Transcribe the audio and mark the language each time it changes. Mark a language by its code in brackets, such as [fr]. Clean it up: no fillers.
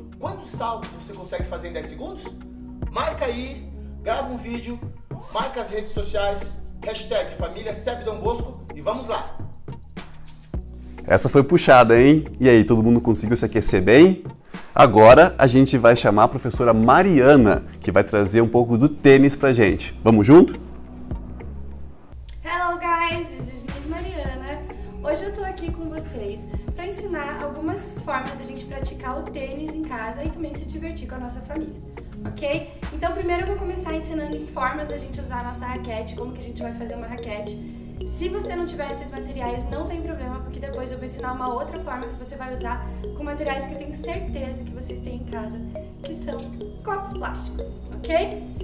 [pt] Quantos saltos você consegue fazer em 10 segundos? Marca aí, grava um vídeo, marca as redes sociais, hashtag família Seb Dom Bosco e vamos lá. Essa foi puxada, hein? E aí, todo mundo conseguiu se aquecer bem? Agora a gente vai chamar a professora Mariana, que vai trazer um pouco do tênis pra gente. Vamos junto? [en] Hello guys, this is Miss Mariana. [pt] Hoje eu tô aqui com vocês para ensinar algumas formas da gente praticar o tênis em casa e também se divertir com a nossa família, ok? Então primeiro eu vou começar ensinando formas da gente usar a nossa raquete, como que a gente vai fazer uma raquete. Se você não tiver esses materiais, não tem problema, porque depois eu vou ensinar uma outra forma que você vai usar com materiais que eu tenho certeza que vocês têm em casa, que são copos plásticos, ok?